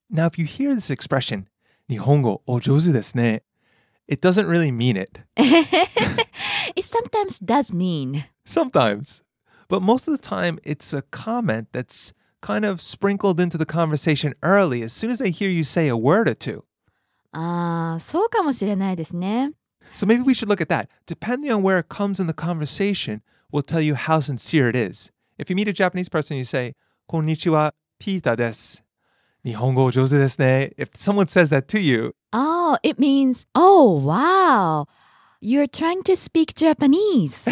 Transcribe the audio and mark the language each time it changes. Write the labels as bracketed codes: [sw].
[en] Now, if you hear this expression, [ja] 日本語お上手ですね, [en] it doesn't really mean it. It sometimes does mean. Sometimes. But most of the time, it's a comment that's kind of sprinkled into the conversation early, as soon as they hear you say a word or two. [ja] Ah, そうかもしれないですね。 [en] So maybe we should look at that. Depending on where it comes in the conversation, we'll tell you how sincere it is. If you meet a Japanese person, you say, [ja] Konnichiwa, Pita desu. 日本語上手ですね。 [en] If someone says that to you. Oh, it means, oh, wow. You're trying to speak Japanese.